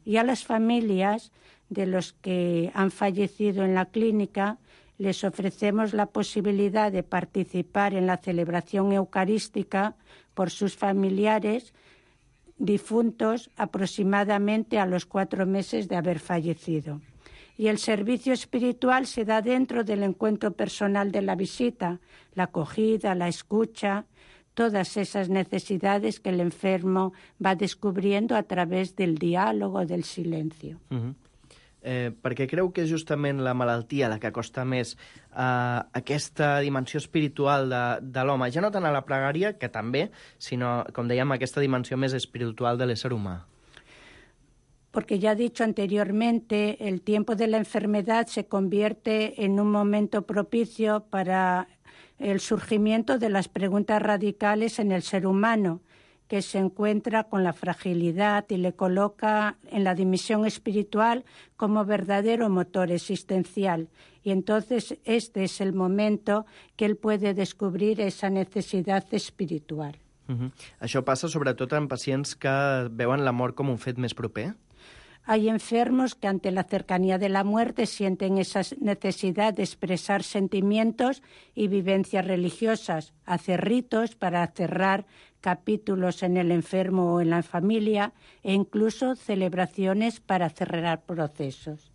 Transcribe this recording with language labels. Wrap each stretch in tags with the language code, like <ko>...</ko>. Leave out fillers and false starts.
<es>Y a las familias de los que han fallecido en la clínica, les ofrecemos la posibilidad de participar en la celebración eucarística por sus familiares difuntos aproximadamente a los 4 meses de haber fallecido. Y el servicio espiritual se da dentro del encuentro personal de la visita, la acogida, la escucha, todas esas necesidades que el enfermo va descubriendo a través del diálogo, del silencio. Uh-huh.</es> <ca>Perquè creu que és justament la malaltia la que costa més aquesta dimensió espiritual de l'home? Ja no tant a la pregària, que també, sinó, com dèiem, aquesta dimensió més espiritual de l'ésser humà.</ca> <es>Porque ya he dicho anteriormente, el tiempo de la enfermedad se convierte en un momento propicio para el surgimiento de las preguntas radicales en el ser humano, que se encuentra con la fragilidad y le coloca en la dimensión espiritual como verdadero motor existencial. Y entonces este es el momento que él puede descubrir esa necesidad espiritual. Uh-huh.</es> <ca>Això passa sobretot en pacients que veuen la mort com un fet més proper?</ca> <es>Hay enfermos que ante la cercanía de la muerte sienten esa necesidad de expresar sentimientos y vivencias religiosas, hacer ritos para cerrar capítulos en el enfermo o en la familia, e incluso celebraciones para cerrar procesos.</es>